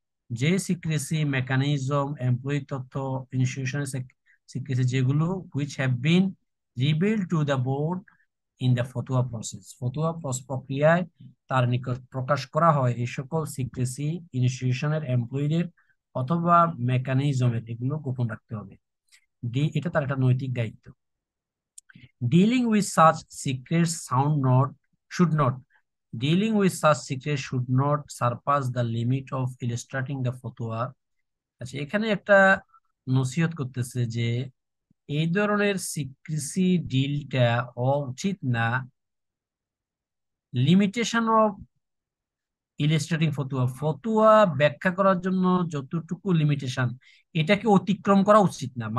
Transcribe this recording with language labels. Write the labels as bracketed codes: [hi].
[bn] যে secrecy mechanism, employee তথ্য, ইনস্টিটিউশনের secrecy, যেগুলো [en] which have been reveal to the board in the fatwa process, [bn] ফতোয়া প্রক্রিয়ায় তার নিকট প্রকাশ করা হয়, এই সকল সিক্রেসি ইনস্টিটিউশনের এমপ্লয়ীদের অথবা মেকানিজমের, এগুলো গোপন রাখতে হবে, এটা তার একটা নৈতিক দায়িত্ব। [en] Dealing with such secret sound not should not Dealing with such situation should not surpass the limit of illustrating the fatwa. [bn] আচ্ছা, এখানে একটা নসিহত করতেছে যে এই ধরনের সিক্রেসি ডিলটা হওয়া উচিত না, [en] limitation of illustrating fatwa, [bn] ফতুয়া ব্যাখ্যা করার জন্য যতটুকু লিমিটেশন এটাকে অতিক্রম করা উচিত না।